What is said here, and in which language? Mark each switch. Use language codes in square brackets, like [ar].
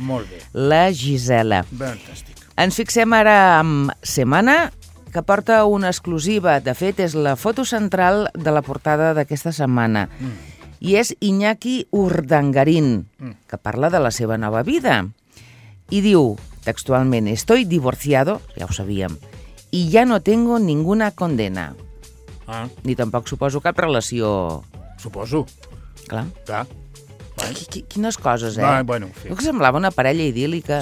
[ca] Molt bé. La Gisela. Fantàstic. Ens fixem ara en Semana, que porta una exclusiva. De fet, és la foto central de la portada d'aquesta setmana. I és Iñaki Urdangarín, que parla de la seva nova vida. I diu textualment, [es] estoy divorciado, ya lo [ca] sabíem, [es] y ya no tengo ninguna condena. Ah. [ca] Ni tampoc suposo cap relació... Suposo. Clar. Clar. Quines coses, Bueno, jo que semblava una parella idíl·lica.